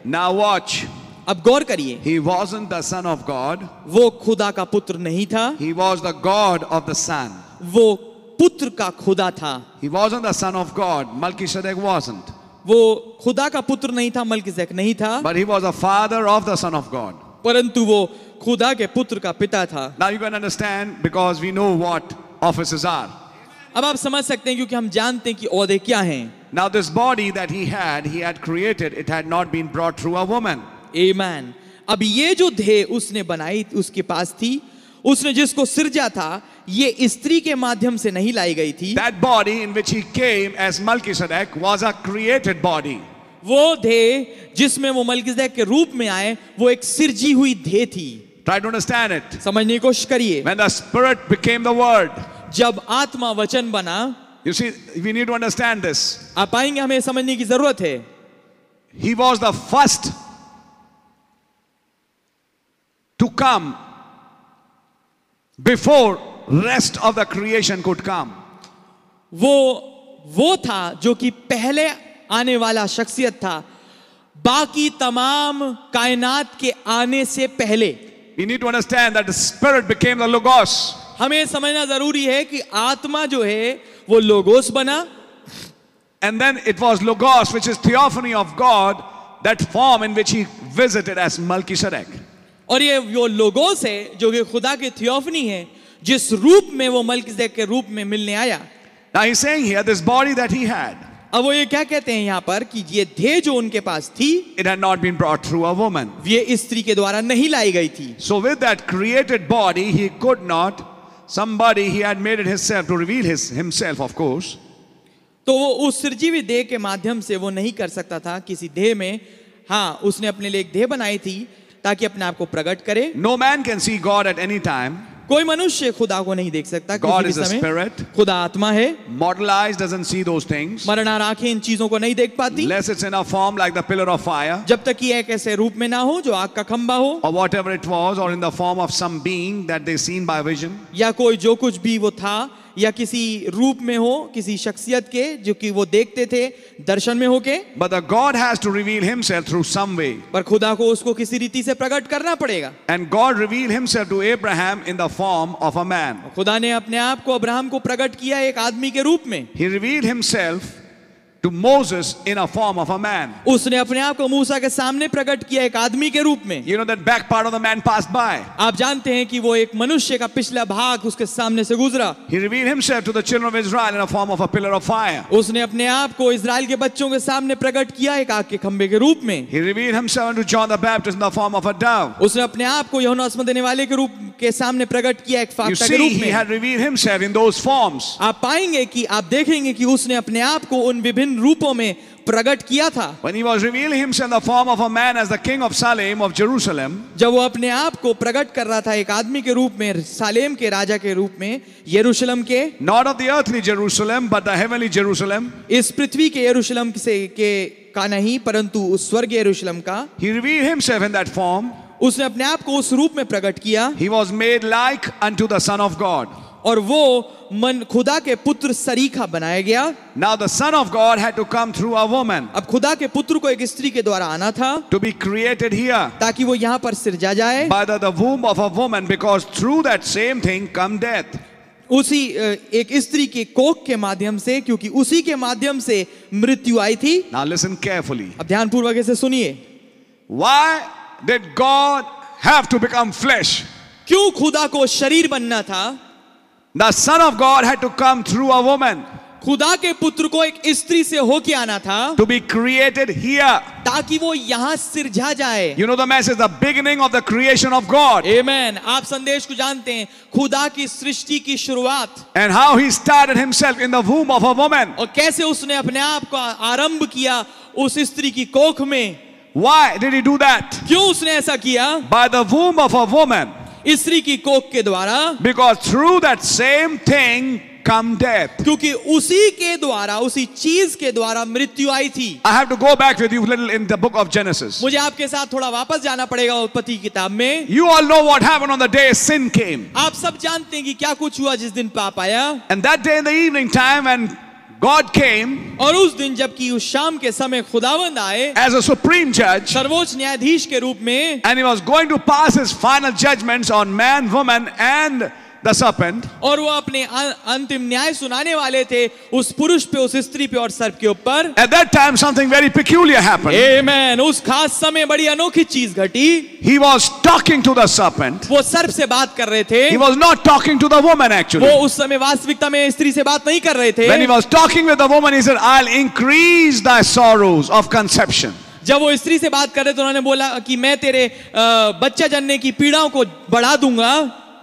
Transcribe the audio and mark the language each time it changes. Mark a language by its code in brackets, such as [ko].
[en] Now watch. [hi] अब गौर करिए। [en] He wasn't the son of God. [hi] वो खुदा का पुत्र नहीं था। [en] He was the God of the Son. [hi] वो पुत्र का खुदा था। [en] He wasn't the son of God. Melchizedek wasn't. [hi] वो खुदा का पुत्र नहीं था, मलकीसेदेक नहीं था। [en] But he was the father of the son of God. [hi] परंतु वो खुदा के पुत्र का पिता था। [en] Now you can understand because we know what offices are. [hi] अब आप समझ सकते हैं क्योंकि हम जानते हैं कि ओदे क्या हैं। [en] Now this body that he had created, it had not been brought through a woman. Amen. [hi] अब ये जो देह उसने बनाई, उसके पास थी, उसने जिसको सृजा था, ये स्त्री के माध्यम से नहीं लाई गई थी। [en] That body in which he came as Melchizedek was a created body. [hi] वो देह जिसमें वो मलकीसेदेक के रूप में आए, वो एक सिर्जी हुई देह थी। [en] Try to understand it. [hi] समझने की कोशिश करिए। [en] When the spirit became the word, [hi] जब आत्मा वचन बना, [en] you see, we need to understand this. [hi] आप आएंगे, हमें समझने की जरूरत है। [en] He was the first to come before rest of the creation could come. [hi] वो था जो कि पहले आने वाला शख्सियत था, बाकी तमाम कायनात के आने से पहले। [en] We need to understand that the spirit became the logos. [hi] हमें समझना जरूरी है कि आत्मा जो है वो लोगोस बना। [en] And then it was logos, which is theophany of God, that form in which he visited as Melchizedek. [hi] और ये वो लोगोस है जो कि खुदा के theophany है, जिस रूप में वो मलकीसेदेक के रूप में मिलने आया। [en] Now he's saying here, this body that he had. [hi] अब वो ये क्या कहते हैं यहाँ पर कि ये देह जो उनके पास थी, [en] It had not been brought through a woman. [hi] ये स्त्री के द्वारा नहीं लाई गई थी। [en] So with that created body, he could not. Somebody he had made it himself to reveal his himself, of course. [hi] तो वो उस सृजीवी देह के माध्यम से वो नहीं कर सकता था किसी देह में। हाँ, उसने अपने लिए एक देह बनाई थी ताकि अपने आप को प्रकट करे। [en] No man can see God at any time. [hi] कोई मनुष्य खुदा को नहीं देख सकता. [en] God is a spirit. [hi] खुदा आत्मा है. [en] Mortal eyes doesn't see those things. [hi] मरना राखे इन चीजों को नहीं देख पाती. [en] Unless it's in a form like the pillar of fire. [hi] जब तक कि एक ऐसे रूप में ना हो जो आग का खंबा हो. [en] Or whatever it was, or in the form of some being that they seen by vision. [hi] या कोई जो कुछ भी वो था या किसी रूप में हो किसी शख्सियत के जो कि वो देखते थे दर्शन में होके. [en] But the God has to reveal himself through some way. [hi] पर खुदा को उसको किसी रीति से प्रकट करना पड़ेगा. [en] And God revealed himself to Abraham in the form of a man. [hi] खुदा ने अपने आप को अब्राहम को प्रकट किया एक आदमी के रूप में. [en] He revealed himself to Moses in a form of a man. [hi] उसने अपने आप को मूसा के सामने प्रकट किया एक आदमी के रूप में. [en] You know that back part of the man passed by. [hi] आप जानते हैं कि वो एक मनुष्य का पिछला भाग उसके सामने से गुजरा. [en] He revealed himself to the children of Israel in a form of a pillar of fire. [hi] उसने अपने आप को इज़राइल के बच्चों के सामने प्रकट किया एक आग के खंभे के रूप में. [en] He revealed himself to John the Baptist in the form of a dove. [hi] उसने अपने आप को यूहन्ना बपतिस्मा देने वाले के रूप के सामने प्रकट किया एक फाख्ता के रूप में. [en] He had revealed himself in those forms. [hi] आप पाएंगे कि आप देखेंगे कि उसने अपने आप को उन विभिन्न रूपों में प्रकट किया था. [en] When he was revealing himself in the form of a man as the king of Salem of Jerusalem. [hi] जब वो अपने आप को प्रकट कर रहा था एक आदमी के रूप में सालेम के राजा के रूप में यरूशलेम के. [en] Not of the earthly Jerusalem but the heavenly Jerusalem. [hi] इस पृथ्वी के यरूशलेम से के का नहीं परंतु उस स्वर्गीय यरूशलेम का. [en] He revealed himself in that form. [hi] उसने अपने आप को उस रूप में प्रकट किया. [en] He was made like unto the son of God. [hi] और वो मन खुदा के पुत्र सरीखा बनाया गया. [en] Now the son of God had to come through a woman. [hi] अब खुदा के पुत्र को एक स्त्री के द्वारा आना था. [en] To be created here. [hi] ताकि वो यहाँ पर सिरजा जाए. [en] By the womb of a woman, because through that same thing come death. [hi] उसी एक स्त्री के कोख के माध्यम से क्योंकि उसी के माध्यम से मृत्यु आई थी. [en] Now listen carefully. [hi] अब ध्यान पूर्वक से सुनिए. [en] Why did God have to become flesh? [hi] क्यों खुदा को शरीर बनना था? [en] The Son of God had to come through a woman. [hi] खुदा के पुत्र को एक स्त्री से होके आना था. [en] To be created here. [hi] ताकि वो यहाँ सिरजा जाए. [en] You know the message, the beginning of the creation of God. Amen. [hi] आप संदेश को जानते हैं, खुदा की सृष्टि की शुरुआत. [en] And how he started himself in the womb of a woman. [hi] और कैसे उसने अपने आप को आरंभ किया उस स्त्री की कोख में. [en] Why did he do that? [hi] क्यों उसने ऐसा किया? [en] By the womb of a woman. [hi] स्त्री की कोख के द्वारा. [en] Because through that same thing come death. [hi] क्योंकि उसी के द्वारा उसी चीज के द्वारा मृत्यु आई थी. [en] I have to go back with you a little in the book of Genesis. [hi] मुझे आपके साथ थोड़ा वापस जाना पड़ेगा उत्पत्ति किताब में. [en] You all know what happened on the day sin came. [hi] आप सब जानते हैं कि क्या कुछ हुआ जिस दिन पाप आया. [en] And that day in the evening time when God came. [hi] और उस दिन जबकि उस शाम के समय खुदावंद आए. [en] As a supreme judge. [hi] सर्वोच्च न्यायाधीश के रूप में. [en] And he was going to pass his final judgments on man, woman, and the serpent. [hi] और वो अपने अंतिम न्याय सुनाने वाले थे उस पुरुष पे उस स्त्री पे और सर्प के ऊपर. [en] At that time something very peculiar happened. Amen. [hi] उस खास समय बड़ी अनोखी चीज घटी. [en] He was talking to the serpent. [hi] वो सर्प से बात कर रहे थे. [en] He was not talking to the woman actually. [hi] वो उस समय वास्तविकता में स्त्री से बात नहीं कर रहे थे. [en] When he was talking with the woman he said I'll increase thy sorrows of conception. [hi] जब वो स्त्री से बात कर रहे थे उन्होंने बोला कि मैं तेरे बच्चा जनने की पीड़ाओं को बढ़ा दूंगा.